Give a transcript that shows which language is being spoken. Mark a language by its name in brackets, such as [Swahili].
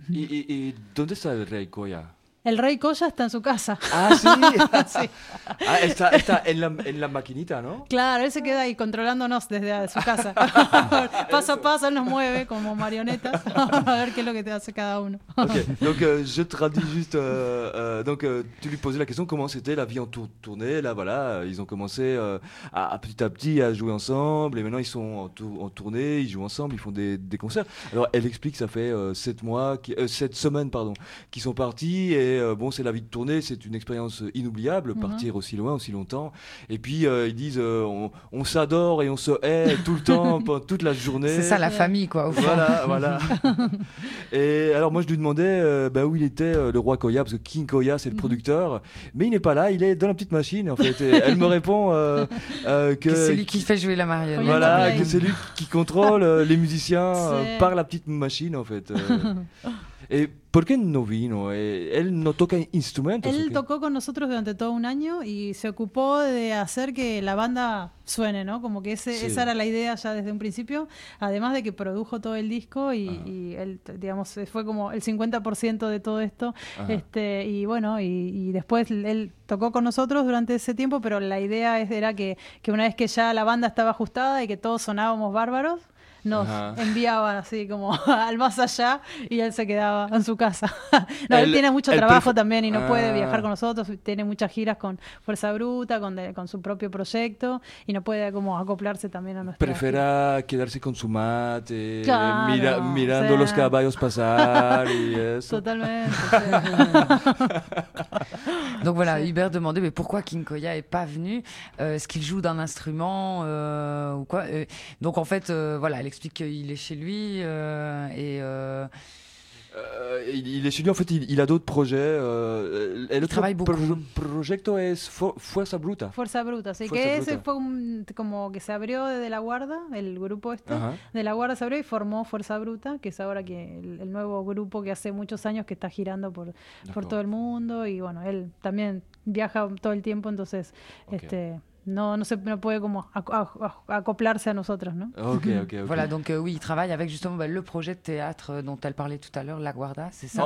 [Spanish] ¿Y dónde está el Rey Koya? El Rey Koya está en su casa. Ah, sí. Ah, está en la maquinita, ¿no? Claro, él se queda ahí controlándonos desde su casa. Paso a paso, él nos mueve como marionetas. A ver qué es lo que te hace cada uno. [French] Ok, donc je traduis juste. Tu lui posais la question, comment c'était la vie en tournée. Là, voilà, ils ont commencé petit à petit à jouer ensemble. Et maintenant, ils sont en tournée, ils jouent ensemble, ils font des concerts. Alors, elle explique que ça fait 7 semaines qu'ils sont partis. Et bon, c'est la vie de tournée, c'est une expérience inoubliable, partir aussi loin, aussi longtemps. Et puis, ils disent, on s'adore et on se hait tout le temps, toute la journée. C'est ça, la famille, quoi, au fond. Voilà, voilà. Et alors, moi, je lui demandais où il était, le roi Koya, parce que King Koya, c'est le producteur. Mais il n'est pas là, il est dans la petite machine, en fait. Et elle me répond que c'est lui qui fait jouer la marionnette. Voilà, que c'est lui qui contrôle les musiciens par la petite machine, en fait. Et pourquoi il n'est pas venu? Il ne joue pas d'instrument? Il a joué avec nous pendant tout un an et s'est occupé de faire que la bande [Spanish] suene, ¿no? Como que esa era la idea ya desde un principio, además de que produjo todo el disco y él, digamos, fue como el 50% de todo esto. Ajá. Y después él tocó con nosotros durante ese tiempo, pero la idea era que una vez que ya la banda estaba ajustada y que todos sonábamos bárbaros, nos enviaba así como al más allá y él se quedaba en su casa. No, él tiene mucho trabajo también y no puede viajar con nosotros, tiene muchas giras con Fuerza Bruta, con su propio proyecto, y no puede como acoplarse también a nuestra. Prefiera quedarse con su mate, claro, mirando los caballos pasar y eso. Totalmente. [French] Donc voilà, Hubert demandait mais pourquoi King Koya est pas venu, est-ce qu'il joue d'un instrument ou quoi. Donc en fait voilà, elle explique qu'il est chez lui Il est chez lui, en fait, il a d'autres projets. Il travaille beaucoup. Le projet est Fuerza Bruta. [Spanish] Fuerza Bruta, [French] c'est que ça [Spanish] fue comme que se abrió de la Guarda, el grupo este. Uh-huh. De la Guarda se abrió y formó Fuerza Bruta, que es ahora que el nuevo grupo que hace muchos años que está girando por todo el mundo. Y bueno, él también viaja todo el tiempo, entonces okay. No puede como acoplarse a nosotros, ¿no? Ok. [French] Voilà, donc oui, il travaille avec justement le projet de théâtre dont elle parlait tout à l'heure, La Guarda, c'est ça?